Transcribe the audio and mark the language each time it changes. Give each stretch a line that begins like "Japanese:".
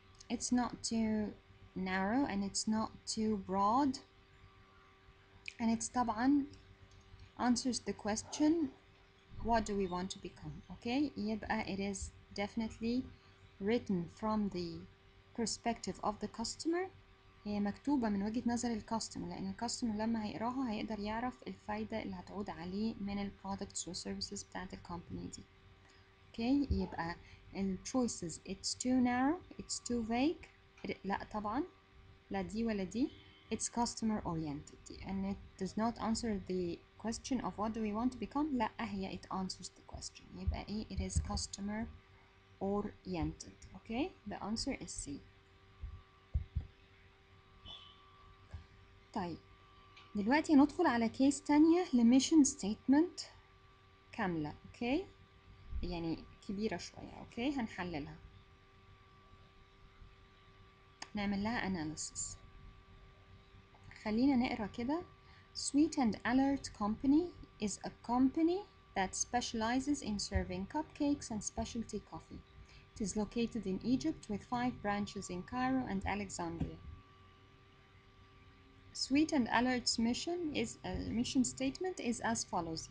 English: It's not too narrow and it's not too broad and it's طبعا answers the question what do we want to become. Okay, يبقى it is definitely written from the perspective of the customer.
Arabic: هي مكتوبة من وجهة نظر الكاستمر، لأن الكاستمر لما هيقراها هيقدر يعرف الفايدة اللي هتعود عليه من الـ products و services بتاعت الـ company دي.
English: Okay، يبقى الـ choices it's too narrow، it's too vague.
Arabic: لا طبعا، لا دي ولا دي.
English: It's customer oriented and it does not answer the question of what do we want to become.
Arabic: لا هي
English: it answers the question.
Arabic: يبقى إيه؟
English: It is customer oriented. Okay، the answer is C.
Arabic: طيب دلوقتي ندخل على كيس تانية لميشن ستيتمنت كاملة. اوكي يعني كبيرة شوية. اوكي هنحللها، نعمل لها analysis. خلينا نقرأ كده.
English: Sweet and Alert Company is a company that specializes in serving cupcakes and specialty coffee. It is located in Egypt with 5 branches in Cairo and Alexandria. Sweet and Alert's mission is a mission statement is as follows.